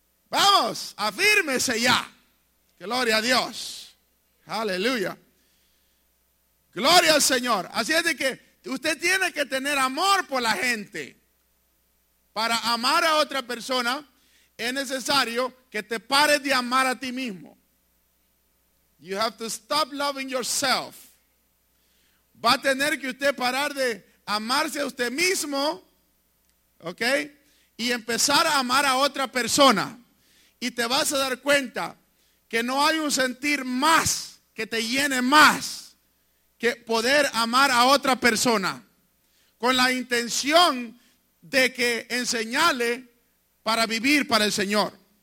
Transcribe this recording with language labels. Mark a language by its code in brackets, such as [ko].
[es] Vamos, afírmese ya. Gloria a Dios. Aleluya. Gloria al Señor. Así es de que usted tiene que tener amor por la gente. Para amar a otra persona es necesario que te pares de amar a ti mismo. [en] You have to stop loving yourself. [es] Va a tener que usted parar de amarse a usted mismo, ¿ok? Y empezar a amar a otra persona. Y te vas a dar cuenta que no hay un sentir más que te llene más que poder amar a otra persona con la intención de que enseñarle para vivir para el Señor.